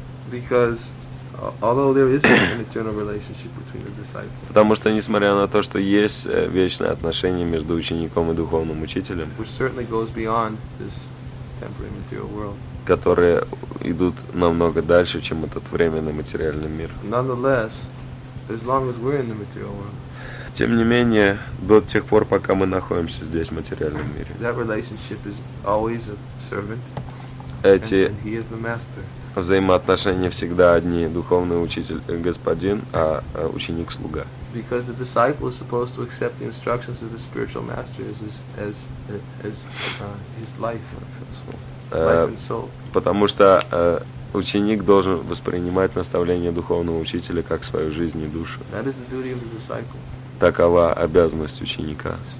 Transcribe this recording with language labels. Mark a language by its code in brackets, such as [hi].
[en] Because although there is an eternal relationship between the disciples. [ru] Потому что несмотря на то, что есть вечное отношение между учеником и духовным учителем, [en] which certainly goes beyond this temporary material world, [ru] которые идут намного дальше, чем этот временный материальный мир. [en] Nonetheless, as long as we're in the material world. [ru] Тем не менее, до тех пор, пока мы находимся здесь в материальном мире. [en] That relationship is always a servant. And he is the master. [ru] Взаимоотношения всегда одни: духовный учитель, господин, а ученик, слуга. [en] Because the disciple is supposed to accept the instructions of the spiritual master as his life, life and soul. [ru] Потому что ученик должен воспринимать наставления духовного учителя как свою жизнь и душу. [en] That is the duty of the disciple. [ru] Такова обязанность ученика.